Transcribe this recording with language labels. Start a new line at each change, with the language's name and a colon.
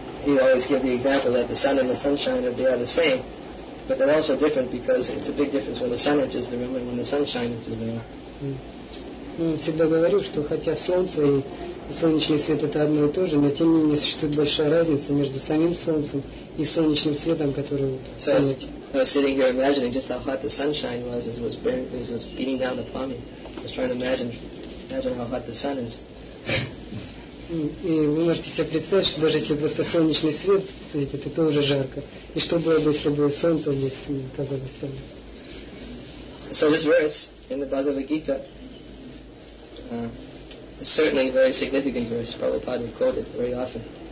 English: He always gives the example that the sun and the sunshine are the same, but they're also different because it's a big difference when the sun enters the room and when the sunshine enters the room.
Russian: Он всегда говорил, что хотя солнце и солнечный свет это одно и то же, но тем не менее существует большая разница между самим солнцем и солнечным светом, который солнце.
English: So I was sitting here imagining just how hot the sunshine was as it was beating down upon me. I was trying to imagine how hot the sun is.
Russian: И вы можете себе представить, что даже если просто солнечный свет, видите, это тоже жарко. И что было бы, если бы солнце здесь оказалось там?
English: So this verse in the Bhagavad Gita. Certainly a very significant verse. Prabhupada quoted very often.